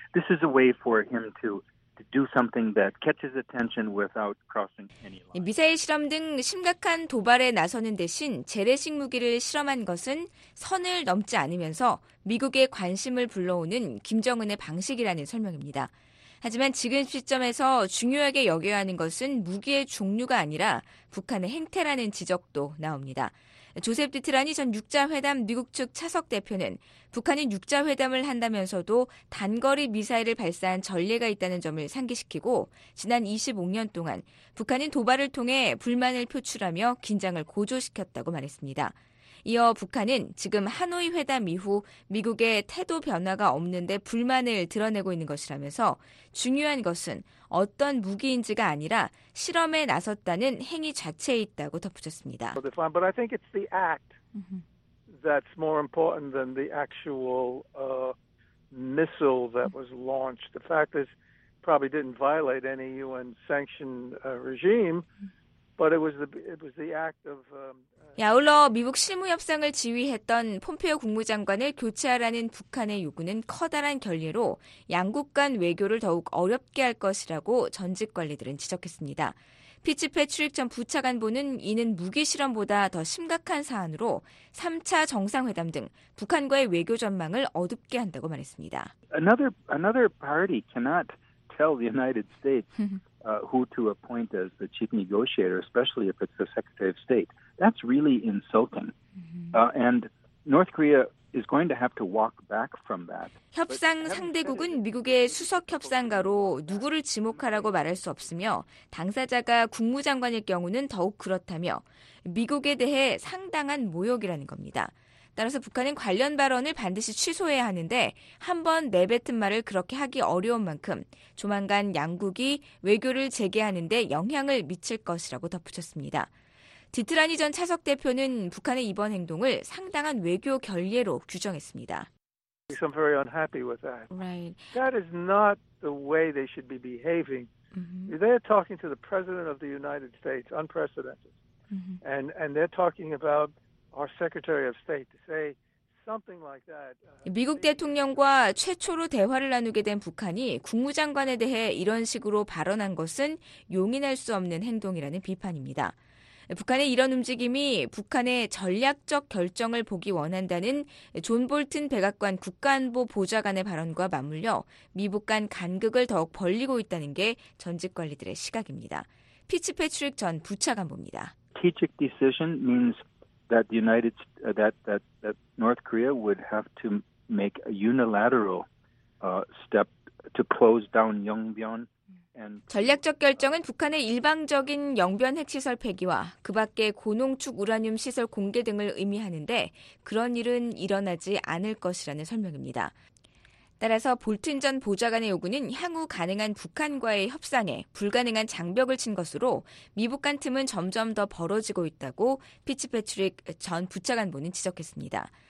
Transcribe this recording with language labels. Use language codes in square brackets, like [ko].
[en] This is a way for him to do something that catches attention without crossing any line. [ko] 미사일 실험 등 심각한 도발에 나서는 대신 재래식 무기를 실험한 것은 선을 넘지 않으면서 미국의 관심을 불러오는 김정은의 방식이라는 설명입니다. 하지만 지금 시점에서 중요하게 여겨야 하는 것은 무기의 종류가 아니라 북한의 행태라는 지적도 나옵니다. 조셉 디트라니 전 6자회담 미국 측 차석 대표는 북한이 6자회담을 한다면서도 단거리 미사일을 발사한 전례가 있다는 점을 상기시키고 지난 25년 동안 북한은 도발을 통해 불만을 표출하며 긴장을 고조시켰다고 말했습니다. 이어 북한은 지금 하노이 회담 이후 미국의 태도 변화가 없는데 불만을 드러내고 있는 것이라면서 중요한 것은 어떤 무기인지가 아니라 실험에 나섰다는 행위 자체에 있다고 덧붙였습니다. [en] But I think it's the act that's more important than the actual missile that was launched. The fact is probably didn't violate any UN sanction regime. But it was the act of [ko] 아울러 미국 실무협상을 지휘했던 폼페오 국무장관을 교체하라는 북한의 요구는 커다란 결례로 양국 간 외교를 더욱 어렵게 할 것이라고 전직 관리들은 지적했습니다. 피츠패트릭 전 부차관보는 이는 무기실험보다 더 심각한 사안으로 3차 정상회담 등 북한과의 외교 전망을 어둡게 한다고 말했습니다. [en] Another party cannot tell the United States who to appoint as the chief negotiator, especially if it's the Secretary of State. That's really insulting. And North Korea is going to have to walk back from that. [ko] 협상 상대국은 미국의 수석 협상가로 누구를 지목하라고 말할 수 없으며 당사자가 국무장관일 경우는 더욱 그렇다며 미국에 대해 상당한 모욕이라는 겁니다. 따라서 북한은 관련 발언을 반드시 취소해야 하는데 한번 내뱉은 말을 그렇게 하기 어려운 만큼 조만간 양국이 외교를 재개하는 데 영향을 미칠 것이라고 덧붙였습니다. 디트라니 전 차석 대표는 북한의 이번 행동을 상당한 외교 결례로 규정했습니다. [en] I'm very unhappy with that. Right. That is not the way they should be behaving. They are talking to the president of the United States, unprecedented. And they're talking about our Secretary of State to say [ko] 미국 대통령과 최초로 대화를 나누게 된 북한이 국무장관에 대해 이런 식으로 발언한 것은 용인할 수 없는 행동이라는 비판입니다. 북한의 이런 움직임이 북한의 전략적 결정을 보기 원한다는 존 볼튼 백악관 국가안보 보좌관의 발언과 맞물려 미북 간 간극을 더욱 벌리고 있다는 게 전직 관리들의 시각입니다. 피츠 패트릭 전 부차관보입니다. [en] Strategic decision means that the United that North Korea would have to make a unilateral step to close down Yongbyon. [ko] 전략적 결정은 북한의 일방적인 영변 핵시설 폐기와 그 밖의 고농축 우라늄 시설 공개 등을 의미하는데 그런 일은 일어나지 않을 것이라는 설명입니다. 따라서 볼튼 전 보좌관의 요구는 향후 가능한 북한과의 협상에 불가능한 장벽을 친 것으로 미북 간 틈은 점점 더 벌어지고 있다고 피츠패트릭 전 부차관보는 지적했습니다.